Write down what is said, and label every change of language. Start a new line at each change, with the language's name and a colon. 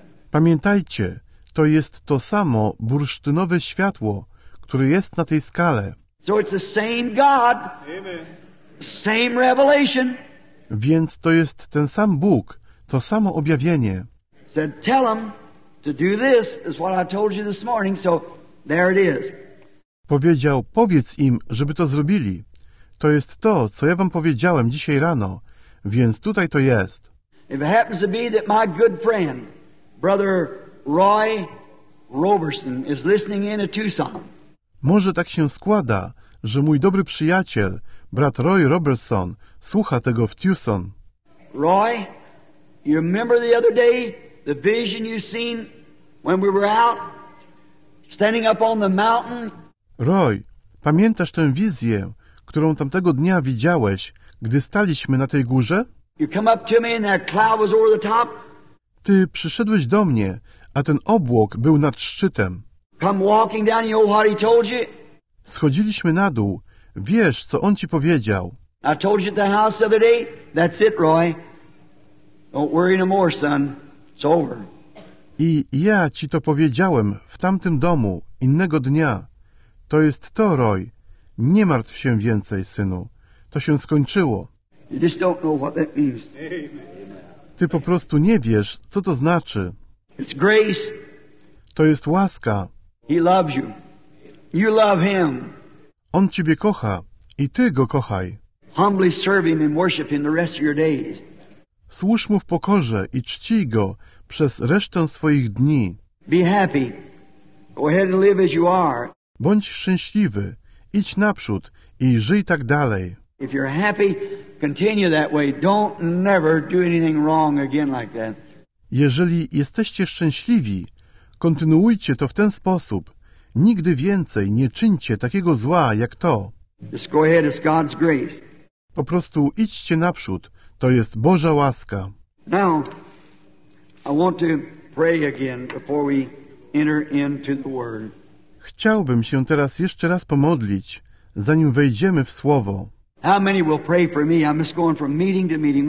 Polish: Pamiętajcie, to jest to samo bursztynowe światło, które jest na tej skale.
English: So it's the same God, same revelation.
Polish: Więc to jest ten sam Bóg, to samo objawienie.
English: Said, tell them to do this is what I told you this morning. So there it is.
Polish: Powiedział, powiedz im, żeby to zrobili. To jest to, co ja wam powiedziałem dzisiaj rano, więc tutaj to jest.
English: If it happens to be that my good friend, brother Roy Roberson, is listening in to Tucson.
Polish: Może tak się składa, że mój dobry przyjaciel, brat Roy Roberson, słucha tego w Tucson.
English: Roy, you remember the other day the vision you seen when we were out standing up on the mountain?
Polish: Roy, pamiętasz tę wizję, którą tamtego dnia widziałeś, gdy staliśmy na tej górze?
English: You come up to me and that cloud was over the top.
Polish: Ty przyszedłeś do mnie, a ten obłok był nad szczytem.
English: Come walking down, you know what he told you?
Polish: Schodziliśmy na dół. Wiesz, co on ci powiedział?
English: I told you at the house the other day. That's it, Roy. Don't worry no more, son. It's over.
Polish: I ja ci to powiedziałem w tamtym domu innego dnia. To jest to, Roy. Nie martw się więcej, synu. To się skończyło.
English: You just don't know what that means.
Polish: Ty po prostu nie wiesz, co to znaczy.
English: It's grace.
Polish: To jest łaska.
English: He loves you. You love him.
Polish: On ciebie kocha i ty go kochaj.
English: Humbly serve him and worship him the rest of your days.
Polish: Służ mu w pokorze i czcij go przez resztę swoich dni.
English: Be happy. Go ahead and live as you are.
Polish: Bądź szczęśliwy, idź naprzód i żyj tak dalej.
English: If you're happy, continue that way. Don't never do anything wrong again like that.
Polish: Jeżeli jesteście szczęśliwi, kontynuujcie to w ten sposób. Nigdy więcej nie czyńcie takiego zła jak to.
English: Just go ahead, it's God's grace.
Polish: Po prostu idźcie naprzód. To jest Boża łaska.
English: Now, I want to pray again before we enter into the word.
Polish: Chciałbym się teraz jeszcze raz pomodlić, zanim wejdziemy w Słowo.
English: How many will pray for me? I'm just going from meeting to meeting.